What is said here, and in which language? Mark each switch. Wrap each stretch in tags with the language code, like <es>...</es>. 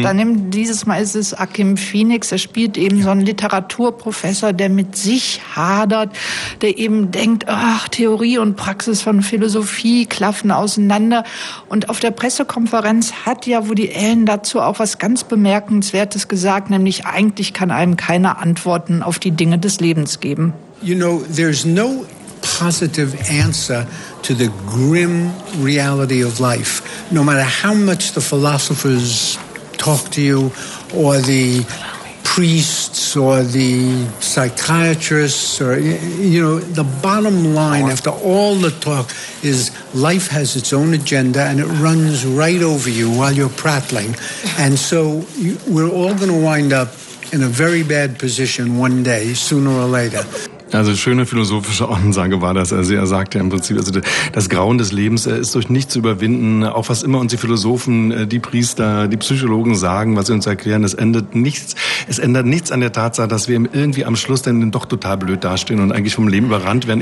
<de>Mhm. Dann nimmt dieses Mal ist es Akim Phoenix. Er spielt eben so einen Literaturprofessor, der mit sich hadert, der eben denkt, ach, Theorie und Praxis von Philosophie klaffen auseinander. Und auf der Pressekonferenz hat ja Woody Allen dazu auch was ganz Bemerkenswertes gesagt, nämlich eigentlich kann einem keiner Antworten auf die Dinge des Lebens geben.</de> <en>You know, there's no positive answer to the grim reality of life. No matter how much the philosophers talk to you, or the priests, or the psychiatrists, or, you know, the bottom line after all the talk is life has its own agenda and it runs right over you while you're prattling. And so we're all going to wind up in a very bad position one day, sooner or later.</en> <de>Also schöne philosophische Ansage war das. Also er sagte im Prinzip, also das Grauen des Lebens ist durch nichts zu überwinden. Auch was immer uns die Philosophen, die Priester, die Psychologen sagen, was sie uns erklären, es ändert nichts. Es ändert nichts an der Tatsache, dass wir irgendwie am Schluss dann doch total blöd dastehen und eigentlich vom Leben überrannt werden.</de>